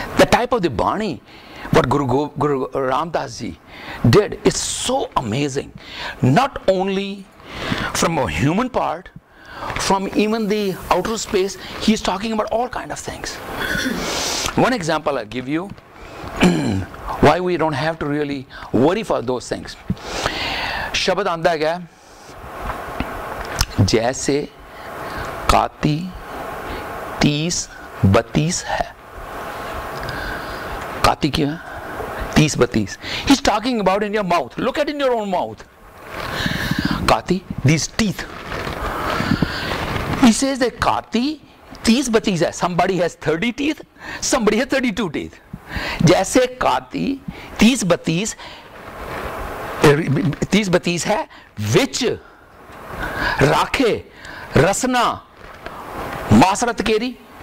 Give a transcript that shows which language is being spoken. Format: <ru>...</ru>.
<en>The type of the bani, what Guru Ramdas Ji did is so amazing. Not only from a human part, from even the outer space, he is talking about all kind of things. One example I'll give you, why we don't have to really worry for those things.</en> <pa>शब्द आंदा है जैसे काती 30-32 है। काती क्यों है 30-32?</pa> <en>He is talking about in your mouth. Look at in your own mouth. Kati, these teeth. He says that Kati, 30-32 hai. Somebody has 30 teeth, somebody has 32 teeth.</en> <pa>Jaise Kati, 30-32 hai, which rakhe, rasna, masrat keri.</pa>